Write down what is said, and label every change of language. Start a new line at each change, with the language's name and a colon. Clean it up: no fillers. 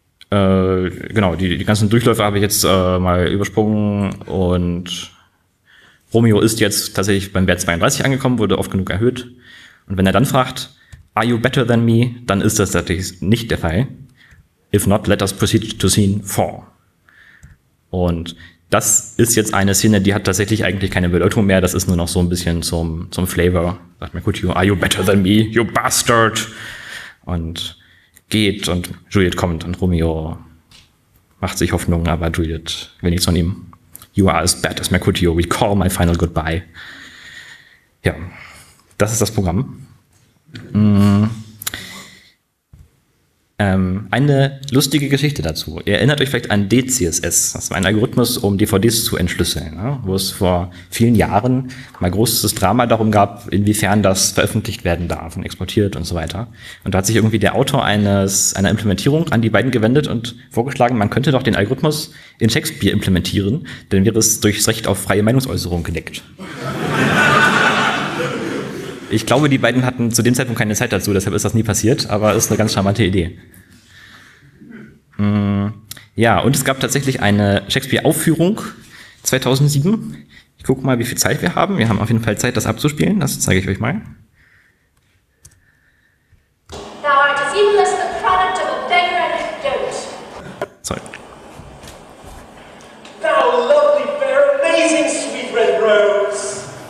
German: Genau, die ganzen Durchläufe habe ich jetzt mal übersprungen und Romeo ist jetzt tatsächlich beim Wert 32 angekommen, wurde oft genug erhöht. Und wenn er dann fragt,
English: are you better than me,
German: dann ist das tatsächlich nicht der Fall.
English: If not, let us proceed to scene 4.
German: Und das ist jetzt eine Szene, die hat tatsächlich eigentlich keine Bedeutung mehr. Das ist nur noch so ein bisschen zum Flavor. Sagt mir, gut,
English: are you better than me, you bastard?
German: Und geht und Juliet kommt und Romeo macht sich Hoffnung, aber Juliet will nichts von ihm.
English: You are as bad as Mercutio. We call my final goodbye.
German: Ja, das ist das Programm. Eine lustige Geschichte dazu. Ihr erinnert euch vielleicht an DCSS. Das war ein Algorithmus, um DVDs zu entschlüsseln, ne? Wo es vor vielen Jahren mal großes Drama darum gab, inwiefern das veröffentlicht werden darf und exportiert und so weiter. Und da hat sich irgendwie der Autor einer Implementierung an die beiden gewendet und vorgeschlagen, man könnte doch den Algorithmus in Shakespeare implementieren, dann wäre es durchs Recht auf freie Meinungsäußerung gedeckt. Ich glaube, die beiden hatten zu dem Zeitpunkt keine Zeit dazu, deshalb ist das nie passiert, aber es ist eine ganz charmante Idee. Ja, und es gab tatsächlich eine Shakespeare-Aufführung 2007. Ich gucke mal, wie viel Zeit wir haben. Wir haben auf jeden Fall Zeit, das abzuspielen. Das zeige ich euch mal.
English: Thou art as evil as the product of a beggar and a goat. Sorry. Thou lovely, fair, amazing, sweet red rose.